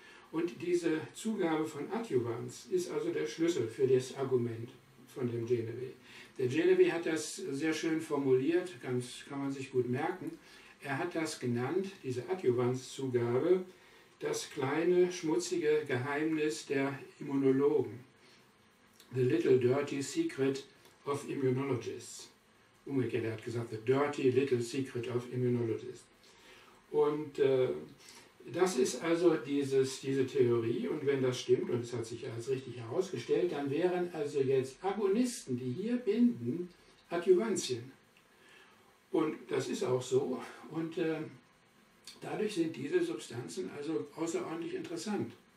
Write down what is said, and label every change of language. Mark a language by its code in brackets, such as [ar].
[de] Und diese Zugabe von Adjuvans ist also der Schlüssel für das Argument von dem Genevieve. Der Genevieve hat das sehr schön formuliert, ganz kann man sich gut merken. Er hat das genannt, diese Adjuvanszugabe, das kleine schmutzige Geheimnis der Immunologen. [en] The little dirty secret of immunologists. [de] Umgekehrt, er hat gesagt, [en] the dirty little secret of immunologists. [de] Und das ist also diese Theorie und wenn das stimmt, und es hat sich ja als richtig herausgestellt, dann wären also jetzt Agonisten, die hier binden, Adjuvantien. Und das ist auch so und dadurch sind diese Substanzen also außerordentlich interessant.